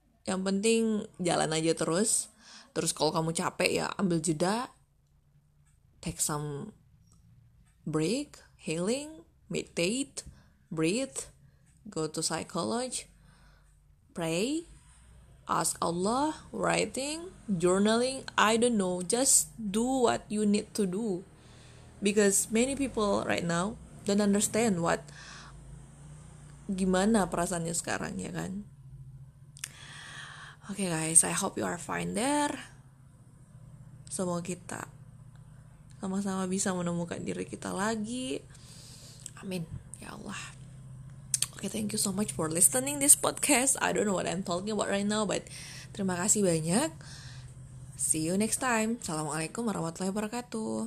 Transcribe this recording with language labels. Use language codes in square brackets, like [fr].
[id] Yang penting jalan aja terus. Terus kalau kamu capek ya ambil jeda, [en] take some break, healing, meditate, breathe, go to psychology, pray, ask Allah, writing, journaling, I don't know, just do what you need to do. Because many people right now don't understand what [id] gimana perasaannya sekarang, ya kan? [en] Okay guys, I hope you are fine there. [id] Semoga kita sama-sama bisa menemukan diri kita lagi. Amin. Ya Allah. [en] Okay, thank you so much for listening this podcast. I don't know what I'm talking about right now, but [id] terima kasih banyak. [en] See you next time. Assalamualaikum warahmatullahi wabarakatuh.